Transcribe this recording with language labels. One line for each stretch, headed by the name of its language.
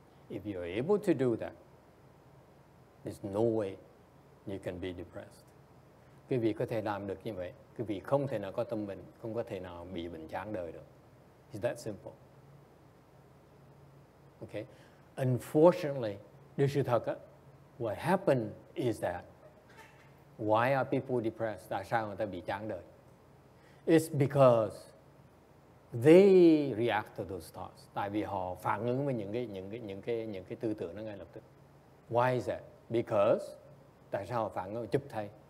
English: If you're able to do that, there's no way you can be depressed.
Vietnamese: Quý vị có thể làm được như vậy. Quý vị không thể nào có tâm bệnh, không có thể nào bị bệnh chán đời được.
English: It's that simple. Okay. Unfortunately,
Vietnamese: điều sự thật á,
English: What happened is that why are people depressed?
Vietnamese: Tại sao người ta bị chán đời?
English: It's because they react to those thoughts.
Vietnamese: Tại vì họ phản ứng với những cái tư tưởng nó ngay lập tức.
English: Why is that?
Vietnamese: Because tại sao họ phản ứng chụp thay?